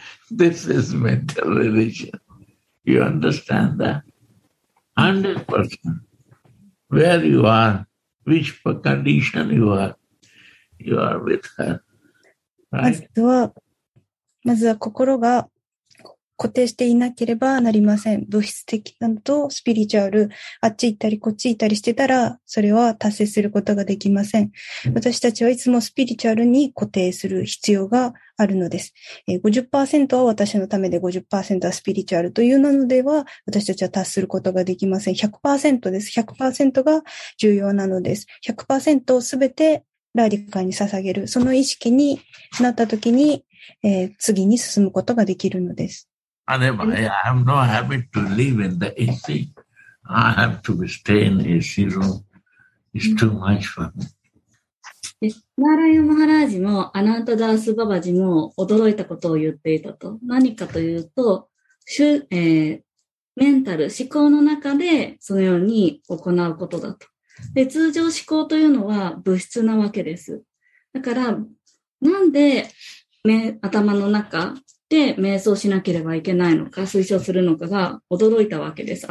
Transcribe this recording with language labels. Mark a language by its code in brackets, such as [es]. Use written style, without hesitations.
[en] This is mental religion. You understand that? 100%, where you are, which condition you are with her.、Right? [ja] まずは心が固定していなければなりません。物質的なのとスピリチュアル、あっち行ったりこっち行ったりしてたら、それは達成することができません。私たちはいつもスピリチュアルに固定する必要があるのです。 50% は私のためで 50% はスピリチュアルというのでは、私たちは達することができません。 100% です。100% が重要なのです。 100% をすべてラーディカに捧げる。その意識になったときに、次に進むことができるのです。 [en] I have no habit to live in the AC. I have to stay in the AC room. It's too much for me. [ja] ナーラヤマハラージもアナントダースババジも驚いたことを言っていたと。何かというと、メンタル、思考の中でそのように行うことだと。で、通常思考というのは物質なわけです。だから、なんで頭の中、で瞑想しなければいけないのか推奨するのかが驚いたわけです。